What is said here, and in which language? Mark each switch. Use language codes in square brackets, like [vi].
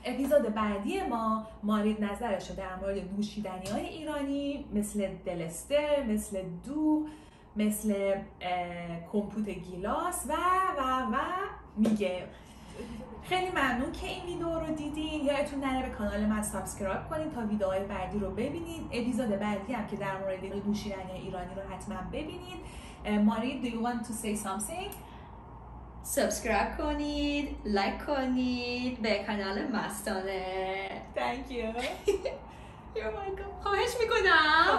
[fa] اپیزود بعدی ما مارید نظرش رو در مورد نوشیدنی های ایرانی مثل دلستر، مثل دو، مثل کمپوت گیلاس و و و میگه. خیلی ممنون که این ویدیو رو دیدین. یادتون نره به کانال من سابسکرایب کنین تا ویدیوهای بعدی رو ببینین. اپیزود بعدی هم که در مورد نوشیدنی ایرانی رو حتما ببینین. [en] مارید، do you want to say something؟ [fa] سابسکرایب کنید، لایک کنید به کانال مستانه. [en] Thank you. You're welcome. [fa] خواهش میکنم.